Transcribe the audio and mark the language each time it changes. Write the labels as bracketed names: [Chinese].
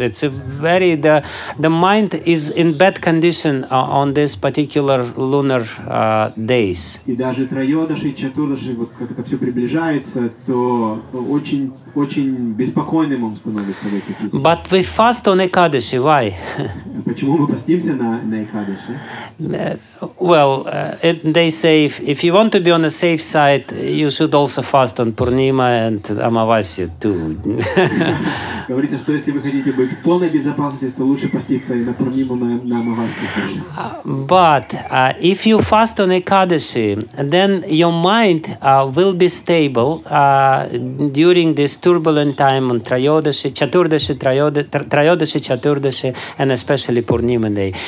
[English] It's a very, the mind is in bad condition on this particular lunar days. [Russian] И даже Трайодаши, Чатурдаши, вот как это все приближается, то очень, очень беспокойным он становится в этих днях. [English] But we fast on Экадаши, why? [Russian] Почему мы постимся на Экадаши? [English] They say if you want to be on the safe side, you should also fast on Purnima and Amavasya too. [Russian] Говорится, что если вы хотите быть в полной безопасности, то лучше поститься и на Пурниму, и на Амавасию. [English] But if you fast on Ekadashi, then your mind will be stable during this turbulent time on Trayodashi, Chaturdashi, Trayodashi, Chaturdashi, and especially Purnima day.